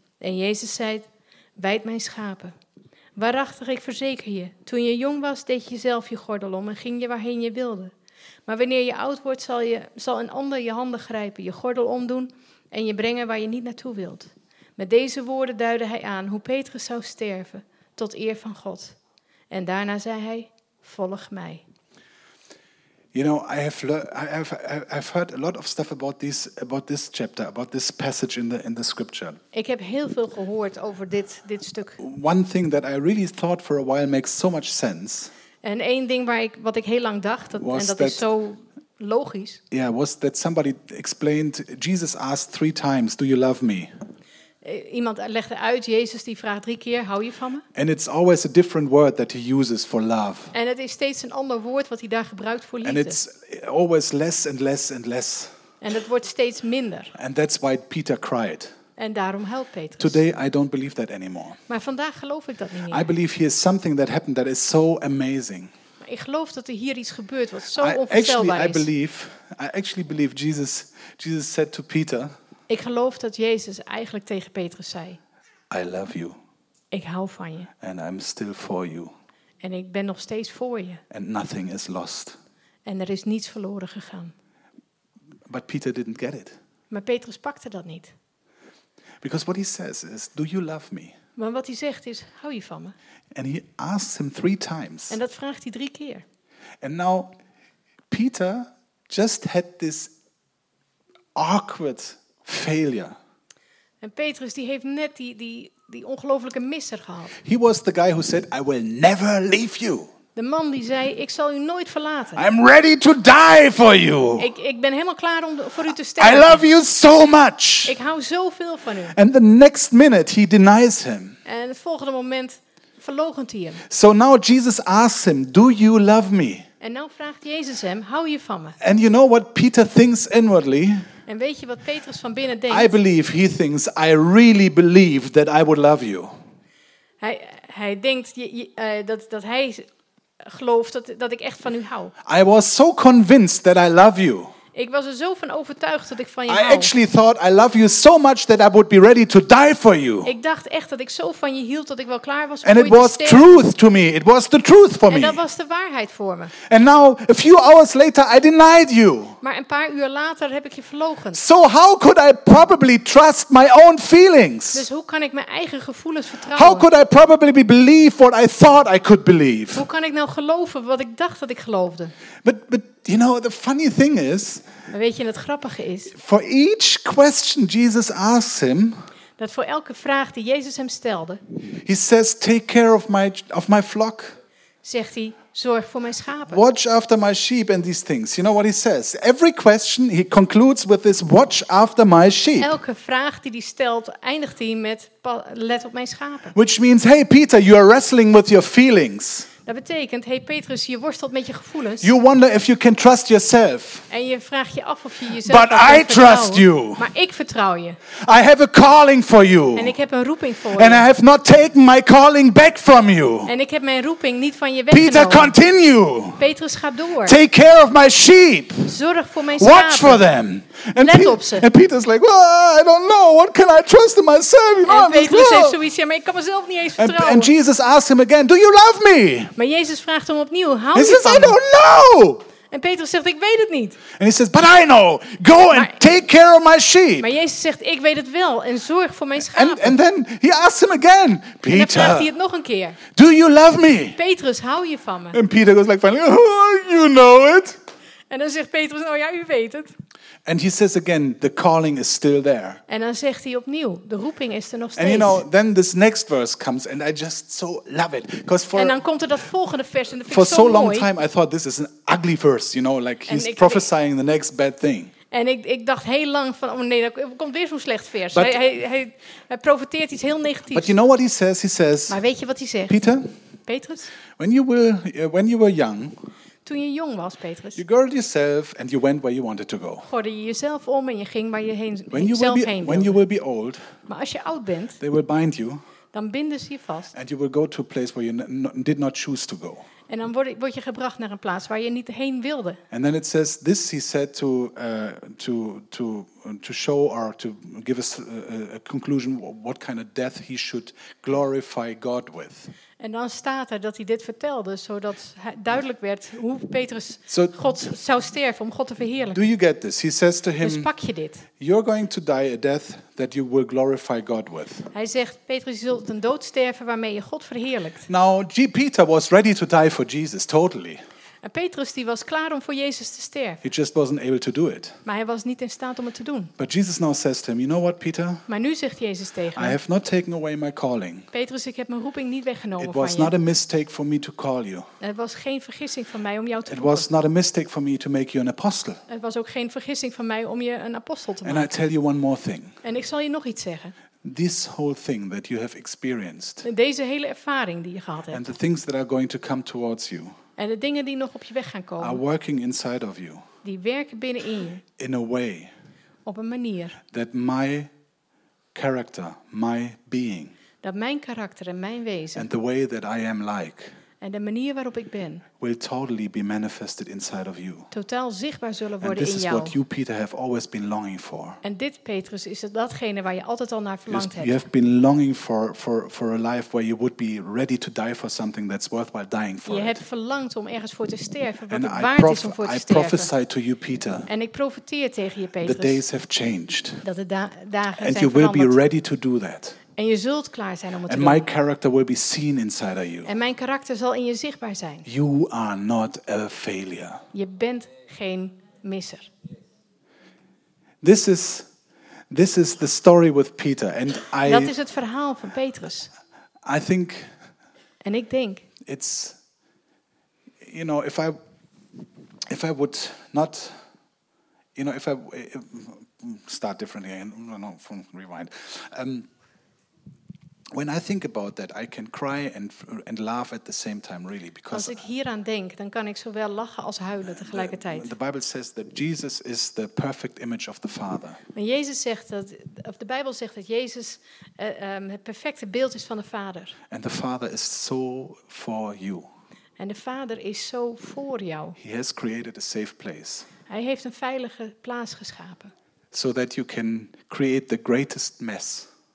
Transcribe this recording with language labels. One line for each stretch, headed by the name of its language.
Dutch: En Jezus zei, wijd mijn schapen. Waarachtig, ik verzeker je, toen je jong was, deed je zelf je gordel om en ging je waarheen je wilde. Maar wanneer je oud wordt, zal een ander je handen grijpen, je gordel omdoen en je brengen waar je niet naartoe wilt. Met deze woorden duidde hij aan hoe Petrus zou sterven, tot eer van God. En daarna zei hij, volg mij.
English: You know, I've heard a lot of stuff about this chapter, about this passage in the scripture.
Dutch: Ik heb heel veel gehoord over dit stuk.
English: One thing that I really thought for a while makes so much sense.
Dutch: En één ding wat ik heel lang dacht, is zo logisch.
English: Yeah, was that somebody explained Jesus asked 3 times, "Do you love me?"
Dutch: Iemand legde uit, Jezus die vraagt 3 keer, hou je van me?
English: And it's always a different word that he uses for love.
Dutch: En het is steeds een ander woord wat hij daar gebruikt voor liefde.
English: And it's always less and less and less.
Dutch: En het wordt steeds minder.
English: And that's why Peter cried.
Dutch: En daarom huilt Petrus.
English: Today I don't believe that anymore.
Dutch: Maar vandaag geloof ik dat niet meer.
English: I believe here is something that happened that is so amazing.
Dutch: Ik geloof dat er hier iets gebeurt wat zo onvoorstelbaar is.
English: I actually believe Jesus said to Peter.
Dutch: Ik geloof dat Jezus eigenlijk tegen Petrus zei.
English: I love you.
Dutch: Ik hou van je.
English: And I'm still for you.
Dutch: En ik ben nog steeds voor je.
English: And nothing is lost.
Dutch: En er is niets verloren gegaan.
English: But Peter didn't get it.
Dutch: Maar Petrus pakte dat niet.
English: Because what he says is, do you love me?
Dutch: Maar wat hij zegt is, hou je van me?
English: And he asks him 3 times.
Dutch: En dat vraagt hij 3 keer.
English: And now Peter just had this awkward failure.
Dutch: En Petrus die heeft net die ongelofelijke misser gehad.
English: He was the guy who said, I will never leave you.
Dutch: De man die zei, ik zal u nooit verlaten.
English: I'm ready to die for you.
Dutch: Ik ben helemaal klaar om voor u te sterven.
English: I love you so much.
Dutch: Ik hou zoveel van u.
English: And the next minute he denies him.
Dutch: En het volgende moment verloochent hij hem.
English: So now Jesus asks him, do you love me?
Dutch: En nou vraagt Jezus hem, hou je van me?
English: And you know what Peter thinks inwardly?
Dutch: En weet je wat Petrus van binnen denkt?
English: I believe he thinks, I really believe that I would love you.
Dutch: Hij denkt dat hij gelooft dat ik echt van u hou.
English: I was so convinced that I love you.
Dutch: Ik was er zo van overtuigd dat ik van je
English: I
Dutch: hou.
English: I actually thought I love you so much that I would be ready to die for you.
Dutch: Ik dacht echt dat ik zo van je hield dat ik wel klaar was.
English: And it was truth to me. It was the truth for me.
Dutch: En dat was de waarheid voor me.
English: And now a few hours later I denied you.
Dutch: Maar een paar uur later heb ik je verloochend.
English: So how could I probably trust my own feelings?
Dutch: Dus hoe kan ik mijn eigen gevoelens vertrouwen?
English: How could I probably believe what I thought I could believe?
Dutch: Hoe kan ik nou geloven wat ik dacht dat ik geloofde?
English: But you know the funny thing is.
Dutch: Maar weet je, het grappige is.
English: For each question Jesus asks him.
Dutch: Dat voor elke vraag die Jezus hem stelde.
English: He says, take care of my flock.
Dutch: Zegt hij. Zorg voor mijn schapen.
English: Watch after my sheep and these things. You know what he says? Every question he concludes with this, watch after my sheep.
Dutch: Elke vraag die hij stelt, eindigt hij met, let op mijn schapen.
English: Which means, hey Peter, you are wrestling with your feelings.
Dutch: Dat betekent, hey Petrus, je worstelt met je gevoelens.
English: You wonder if you can trust yourself.
Dutch: En je vraagt je af of je jezelf
English: But I trust you.
Dutch: Maar ik vertrouw je.
English: I have a calling for you.
Dutch: En ik heb een roeping voor
English: And
Dutch: je.
English: And I have not taken my calling back from you.
Dutch: En ik heb mijn roeping niet van je weggenomen.
English: Peter, continue.
Dutch: Petrus, ga door.
English: Take care of my sheep.
Dutch: Zorg voor mijn
English: Watch
Dutch: schapen.
English: For them.
Dutch: And Let op ze.
English: And Peter's like, I don't know. What can I trust in myself?
Dutch: En Petrus heeft zoiets, maar ik kan mezelf niet eens vertrouwen.
English: And Jesus asks him again, do you love me?
Dutch: Maar Jezus vraagt hem opnieuw, hou
English: he
Dutch: je
English: says,
Dutch: van me?
English: I don't know.
Dutch: En Petrus zegt, ik weet het niet.
English: And he says, but I know. Go and take care of my sheep.
Dutch: Maar Jezus zegt, ik weet het wel en zorg voor mijn schapen.
English: And then he asks him again, Peter.
Dutch: En dan vraagt hij het nog een keer.
English: Do you love me?
Dutch: Petrus, hou je van me?
English: And Peter goes like, finally, you know it.
Dutch: En dan zegt Petrus, nou ja, u weet het.
English: And he says again, the calling is still there.
Dutch: En dan zegt hij opnieuw, de roeping is er nog steeds.
English: And you know, then this next verse comes, and I just so love it, because
Dutch: en dan komt er dat volgende vers en dat vind ik
English: for so long
Dutch: mooi.
English: Time, I thought this is an ugly verse, you know, like he's prophesying the next bad thing.
Dutch: En ik dacht heel lang van, oh nee, dat komt weer zo'n slecht vers. But, hij profeteert iets heel negatiefs.
English: But you know what he says? He says.
Dutch: Maar weet je wat hij zegt?
English: Peter.
Dutch: Petrus.
English: When you were young.
Dutch: Toen je jong was, Petrus.
English: You girded yourself and you went where you wanted to go.
Dutch: Gorde je jezelf om en je ging waar je heen
English: when you will be,
Dutch: heen wilde.
English: When you will be old.
Dutch: Maar als je oud bent.
English: They will bind you.
Dutch: Dan binden ze je vast.
English: And you will go to a place where you did not choose to go.
Dutch: En dan word je gebracht naar een plaats waar je niet heen wilde.
English: And then it says this he said to show or to give us a conclusion what kind of death he should glorify God with.
Dutch: En dan staat er dat hij dit vertelde, zodat hij duidelijk werd hoe Petrus God zou sterven om God te verheerlijken.
English: Do you get this? He says to him.
Dutch: Dus pak je dit.
English: You're going to die a death that you will glorify God with.
Dutch: Hij zegt, Petrus, je zult een dood sterven waarmee je God verheerlijkt.
English: Now, Peter was ready to die for Jesus, totally.
Dutch: En Petrus die was klaar om voor Jezus te sterven.
English: He just wasn't able to do it.
Dutch: Maar hij was niet in staat om het te doen.
English: But Jesus now says to him, you know what, Peter?
Dutch: Maar nu zegt Jezus tegen hem.
English: I have not taken away my calling.
Dutch: Petrus, ik heb mijn roeping niet weggenomen van je.
English: It was not a mistake for me to call you.
Dutch: Het was geen vergissing van mij om jou te roepen.
English: It was not a mistake for me to make you an apostle.
Dutch: Het was ook geen vergissing van mij om je een apostel te maken.
English: And I tell you one more thing.
Dutch: En ik zal je nog iets zeggen.
English: This whole thing that you have experienced.
Dutch: Deze hele ervaring die je gehad hebt.
English: And the things that are going to come towards you.
Dutch: En de dingen die nog op je weg gaan komen.
English: Are working inside of you.
Dutch: Die werken binnenin je.
English: In a way.
Dutch: Op een manier.
English: That my character, my being.
Dutch: Dat mijn karakter en mijn wezen.
English: And the way that I am like.
Dutch: En de manier waarop ik ben.
English: Will totally be manifested inside of you.
Dutch: Totaal zichtbaar zullen worden in jou.
English: And this is what you, Peter, have always been longing for.
Dutch: En dit, Petrus, is datgene waar je altijd al naar verlangd hebt.
English: You have been longing for a life where you would be ready to die for something that's worthwhile dying for.
Dutch: Je
English: it.
Dutch: Hebt verlangd om ergens voor te sterven, wat het waard is om voor te sterven.
English: I prophesy to you, Peter.
Dutch: En ik profeteer tegen je, Petrus.
English: The days have changed.
Dutch: Dat de dagen zijn veranderd.
English: And you will be ready to do that.
Dutch: En je zult klaar zijn om het
English: and
Dutch: te doen.
English: My character will be seen inside of you.
Dutch: En mijn karakter zal in je zichtbaar zijn.
English: You are not a failure.
Dutch: Je bent geen misser.
English: This is the story with Peter and I.
Dutch: Dat is het verhaal van Petrus.
English: I think.
Dutch: En ik denk.
English: It's, you know, if I would not, you know, if start differently and no, rewind. When I think about that, I can cry and laugh at the same time, really, because.
Dutch: Als ik hieraan denk, dan kan ik zowel lachen als huilen tegelijkertijd.
English: The Bible says that Jesus is the perfect image of the Father.
Dutch: Maar Jezus zegt dat, of de Bijbel zegt dat Jezus het perfecte beeld is van de Vader.
English: And the Father is so for you.
Dutch: En de Vader is zo voor jou.
English: He has created a safe place.
Dutch: Hij heeft een veilige plaats geschapen.
English: So that you can create the greatest mess.